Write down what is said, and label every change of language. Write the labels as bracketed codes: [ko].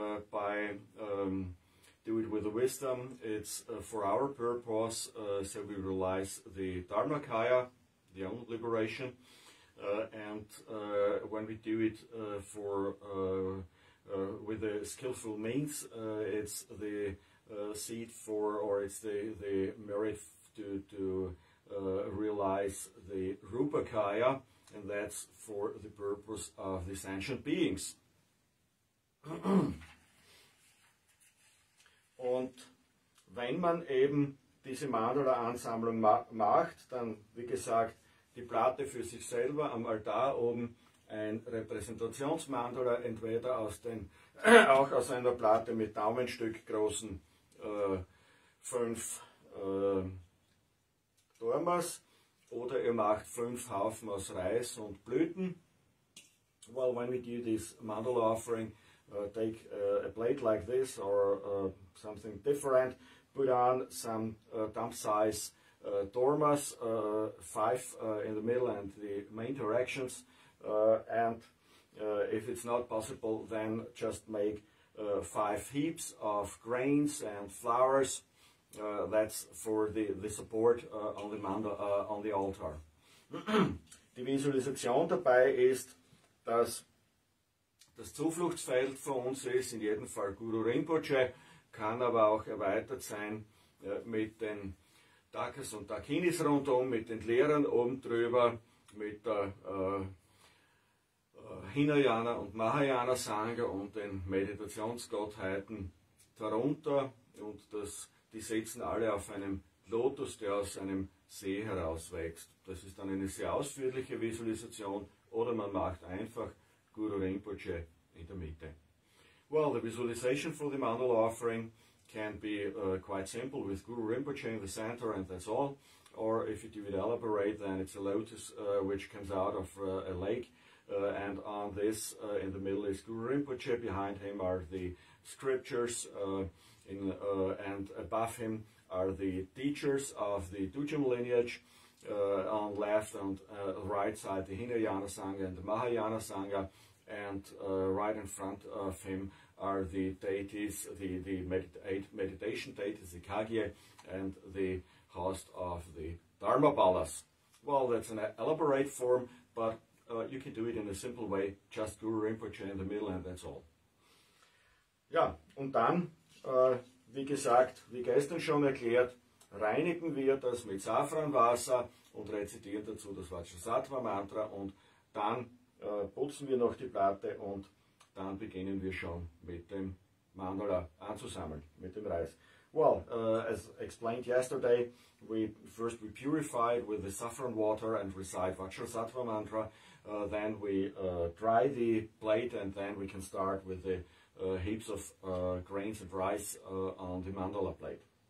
[en] By do it with the wisdom, it's for our purpose, so we realize the Dharmakaya, the own liberation, and when we do it for with the skillful means, it's the seed for, or it's the merit to realize the Rupakaya, and that's for the purpose of the sentient beings. [de] Und wenn man eben diese Mandala-Ansammlung macht, dann, wie gesagt, die Platte für sich selber am Altar oben, ein Repräsentationsmandala, entweder aus den auch aus einer Platte mit Daumenstück großen 5 Dormas, oder ihr macht 5 Haufen aus Reis und Blüten. [en] Well, when we do this mandala offering, take a plate like this or something different, put on some thumb size dormas, 5 in the middle and the main directions, and if it's not possible, then just make 5 heaps of grains and flowers. That's for the support on the mandala, on the altar. [de] Die Visualisation dabei ist, dass das Zufluchtsfeld für uns ist, in jedem Fall Guru Rinpoche, kann aber auch erweitert sein mit den Dakas und Dakinis rundum, mit den Lehrern oben drüber, mit der Hinayana und Mahayana Sangha und den Meditationsgottheiten darunter, und die sitzen alle auf einem Lotus, der aus einem See herauswächst. Das ist dann eine sehr ausführliche Visualisation, oder man macht einfach Guru Rinpoche in der Mitte. [en] Well, the visualization for the mandala offering can be quite simple with Guru Rinpoche in the center, and that's all. Or if you do it elaborate, then it's a lotus which comes out of a lake. And on this, in the middle, is Guru Rinpoche. Behind him are the scriptures, and above him are the teachers of the Dujum lineage. on left and right side, the Hinayana Sangha and the Mahayana Sangha, and right in front of him are the deities, the eight meditation deities, the Kagye, and the host of the Dharmapalas. Well, that's an elaborate form, but you can do it in a simple way, just Guru Rinpoche in the middle, and that's all. [de] Ja, und dann, wie gesagt, wie gestern schon erklärt, reinigen wir das mit Safranwasser und rezitieren dazu das Vajrasattva-Mantra und dann putzen wir noch die Platte und dann beginnen wir schon mit dem Mandala anzusammeln, mit dem Reis. [en] Well, as explained yesterday, we purify it with the saffron water and recite Vajrasattva mantra. Then we dry the plate and then we can start with the heaps of grains of rice on the mandala plate.